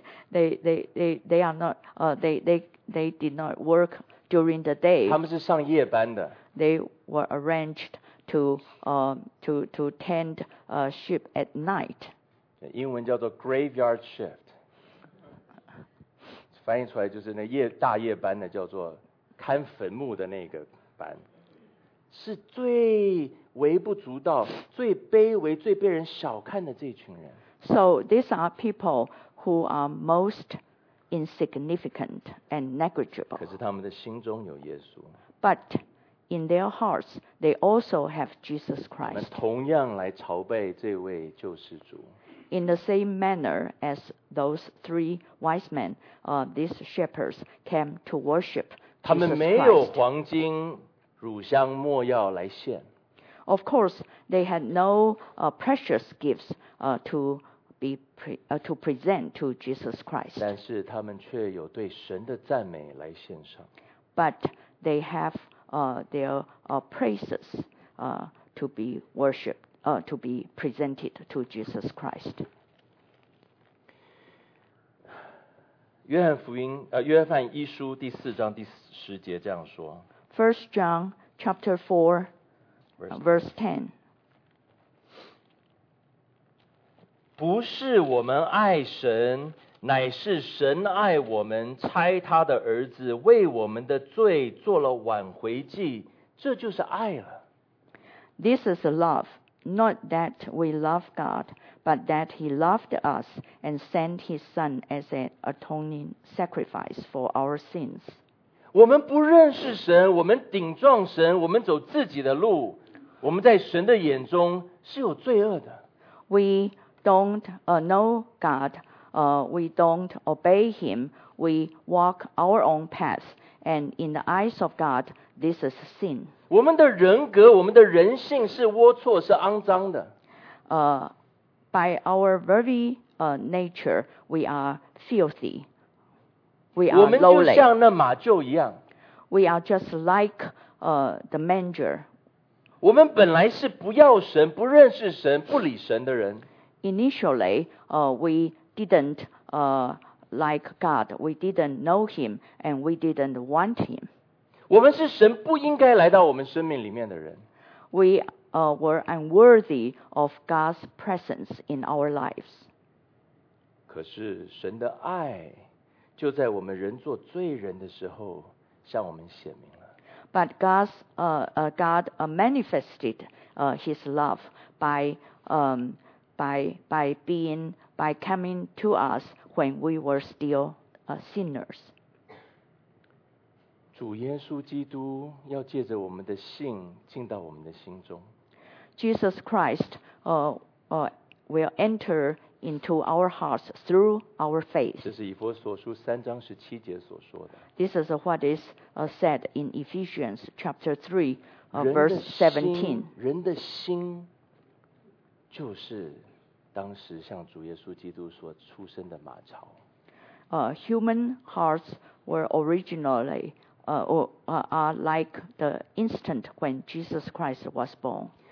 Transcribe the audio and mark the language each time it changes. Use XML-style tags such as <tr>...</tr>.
<en>they are not they did not work during the day.</en> <zh>他们是上夜班的。</zh> <en>They were arranged to tend sheep at night.</en> <zh>英文叫做</zh> <en>graveyard shift.</en> <zh>翻译出来就是那夜大夜班的叫做看坟墓的那个班，是最微不足道、最卑微、最被人小看的这群人。</zh> <en>So these are people who are most insignificant and negligible.</en> <zh>可是他们的心中有耶稣。</zh> <en>But in their hearts, they also have Jesus Christ.</en> <zh>他们同样来朝拜这位救世主。</zh> <en>In the same manner as those three wise men, these shepherds came to worship Jesus Christ.</en> <zh>他们没有黄金、乳香、没药来献。</zh> <en>Of course, they had no precious gifts to present to Jesus Christ.</en> <zh>但是他们却有对神的赞美来献上。</zh> <en>But they have their praises to be worshipped, to be presented to Jesus Christ.</en> <zh>约翰福音约翰一书第四章第十节这样说。</zh> <en>First John chapter 4. Verse 10.</en> <zh>不是我们爱神，乃是神爱我们，差他的儿子为我们的罪做了挽回祭，这就是爱了。</zh> <en>This is love, not that we love God, but that He loved us and sent His Son as an atoning sacrifice for our sins.</en> <zh>我们不认识神，我们顶撞神，我们走自己的路，我们在神的眼中是有罪恶的。</zh> <en>We don't know God, we don't obey Him, we walk our own path, and in the eyes of God, this is sin.</en> <zh>我们的人格，我们的人性是龌龊，是肮脏的。</zh> <en>By our very nature, we are filthy. We are lowly.</en> <zh>我们就像那马厩一样。</zh> <en>We are just like the manger.</en> <zh>我们本来是不要神、不认识神、不理神的人。</zh> <en>Initially, we didn't like God. We didn't know Him, and we didn't want Him.</en> <zh>我们是神不应该来到我们生命里面的人。</zh> <en>We were unworthy of God's presence in our lives.</en> <zh>可是神的爱就在我们人做罪人的时候向我们显明了。</zh> <en>But God's, God manifested His love by coming to us when we were still sinners.</en> <zh>主耶稣基督要借着我们的信进到我们的心中。</zh> <en>Jesus Christ will enter into our hearts through our faith.</en> <zh>这是以弗所书三章十七节所说的。</zh> <en>This is what is said in Ephesians chapter 3, verse 17.</en> <zh>人的心就是当时像主耶稣基督所出生的马槽。</zh> <en>Human hearts were originally. Are like the instant when Jesus Christ was born.</en>